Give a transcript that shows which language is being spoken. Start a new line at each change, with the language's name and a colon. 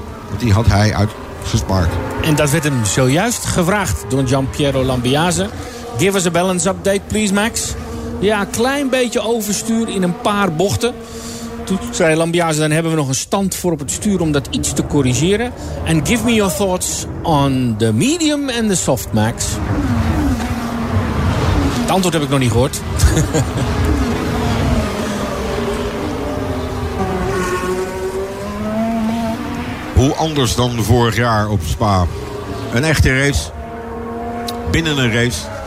Dutch: Want die had hij uitgespaard. En dat werd hem zojuist gevraagd door Gianpiero Lambiase.
English: Give us a balance update, please, Max.
Dutch: Ja, een klein beetje overstuur in een paar bochten. Toen zei Lambiase, dan hebben we nog een stand voor op het stuur om dat iets te corrigeren.
English: And give me your thoughts on the medium and the soft, Max.
Dutch: Het antwoord heb ik nog niet gehoord. Hoe anders dan vorig jaar op Spa. Een echte race. Binnen een race.